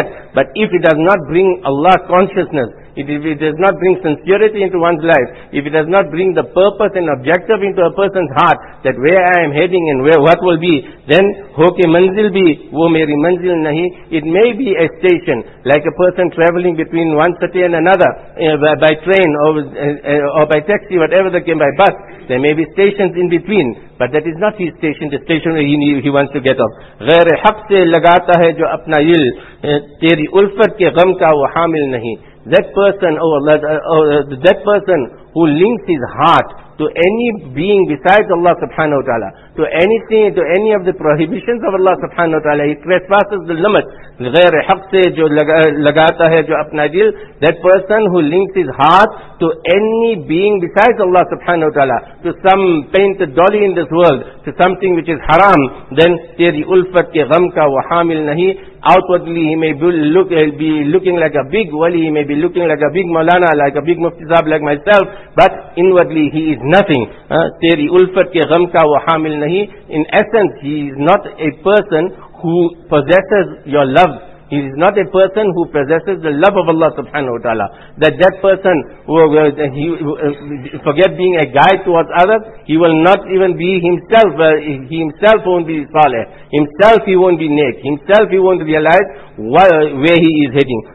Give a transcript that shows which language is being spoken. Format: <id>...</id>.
<en>But if it does not bring Allah consciousness, if it does not bring sincerity into one's life, if it does not bring the purpose and objective into a person's heart, that where I am heading and where what will be, then</en> <ur>ho ke manzil bhi wo meri manzil nahi.</ur> <en>It may be a station, like a person travelling between one city and another by train or by taxi, whatever they came by bus. There may be stations in between, but that is not his station, the station where he wants to get off.</en> <ur>غیر حق سے لگاتا ہے جو اپنا دل تیری الفت کے غم کا وہ حامل نہیں.</ur> <en>That person, oh Allah, that person who links his heart to any being besides Allah subhanahu wa ta'ala, to anything, to any of the prohibitions of Allah subhanahu wa ta'ala, he trespasses the limit.</en> <ur>غیر حق سے جو لگاتا ہے جو اپنا دل,</ur> <en>that person who links his heart to any being besides Allah subhanahu wa ta'ala, to some painted dolly in this world, to something which is haram, then</en> <ur>تیری الفت کے غم کا وہ حامل نہیں.</ur> <en>Outwardly he may be looking like a big wali, he may be looking like a big maulana, like a big mufti sahab like myself, but inwardly he is nothing.</en> <ur>تیری الفت کے غم کا وہ حامل نہیں.</ur> <en>In essence, he is not a person who possesses your love. He is not a person who possesses the love of Allah subhanahu wa ta'ala. That person, forget being a guide towards others, he will not even be himself. He himself won't be salih. Himself he won't be naik. Himself he won't realize where he is heading.</en>